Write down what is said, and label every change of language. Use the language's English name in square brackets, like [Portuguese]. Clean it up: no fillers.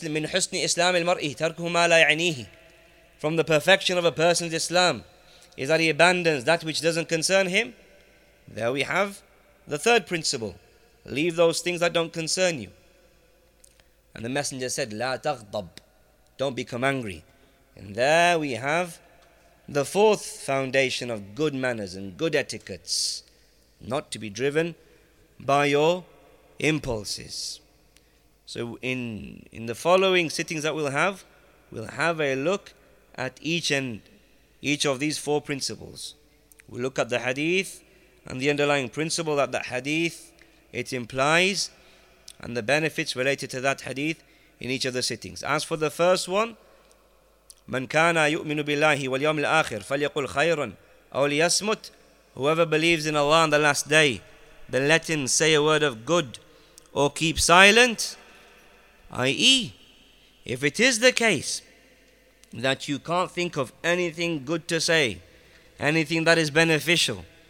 [Arabic] من حسن إسلام المرء تركه ما لا يعنيه. [English] From the perfection of a person's Islam is that he abandons that which doesn't concern him. There we have the third principle. Leave those things that don't concern you. And the Messenger said, [Arabic] لا تغضب. [English] Don't become angry. And there we have the fourth foundation of good manners and good etiquettes. Not to be driven by your impulses. So in the following sittings that we'll have a look at each of these four principles. We'll look at the hadith and the underlying principle that the hadith it implies, and the benefits related to that hadith in each of the sittings. As for the first one, [Arabic] من كان يؤمن بالله واليوم الآخر فليقل خيرا أو ليصمت. [English] Whoever believes in Allah on the last day, then let him say a word of good or keep silent. I.e., if it is the case that you can't think of anything good to say, anything that is beneficial,